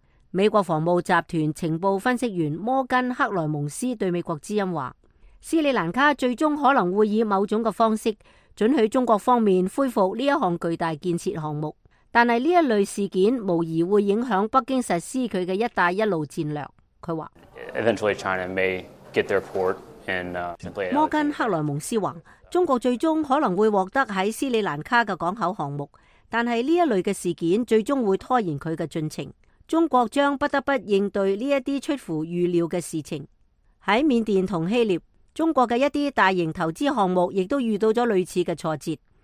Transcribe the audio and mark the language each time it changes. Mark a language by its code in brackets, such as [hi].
[zh] 美国防务集团情报分析员摩根·克莱蒙斯对美国之音说，斯里兰卡最终可能会以某种的方式准许中国方面恢复这一项巨大建设项目，但是这一类事件无疑会影响北京实施它的一带一路战略。他说 [en] Eventually China may get their port and play it. [zh] 摩根·克莱蒙斯说，中国最终可能会获得在斯里兰卡的港口项目，但是这一类的事件最终会拖延它的进程，中国将不得不应对这些出乎预料的事情。在缅甸和希腊，中国的一些大型投资项目也都遇到了类似的挫折。